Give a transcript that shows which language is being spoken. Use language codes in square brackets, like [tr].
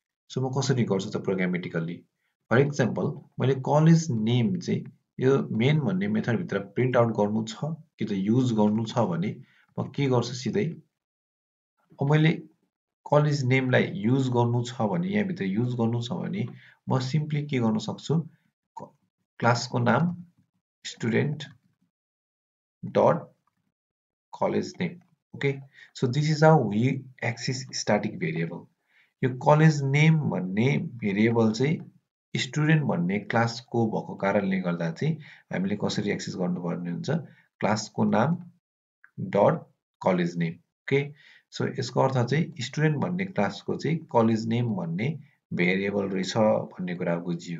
[ne] So म कसरी गर्छु त प्रोग्रामेटिकल्ली, फर इक्जाम्पल मैले कलेज नेम चाहिँ यो मेन भन्ने मेथडभित्र प्रिन्ट आउट गर्नु छ कि त युज गर्नु छ भने म के गर्छु सिधै, अब मैले कलेज नेमलाई युज गर्नु छ भने, यहाँभित्र युज गर्नु छ भने म सिम्पली के गर्न सक्छु, क्लासको नाम student dot college name. [en] Okay so this is how we access static variable. [ne] यो कलेज नेम भन्ने भेरिएबल चाहिँ स्टुडेन्ट भन्ने क्लासको भएको कारणले गर्दा चाहिँ हामीले कसरी एक्सेस गर्नुपर्ने हुन्छ, क्लासको नाम dot college name. Okay so यसको अर्थ चाहिँ स्टुडेन्ट भन्ने क्लासको चाहिँ कलेज नेम भन्ने भेरिएबल रहेछ भन्ने कुरा बुझियो।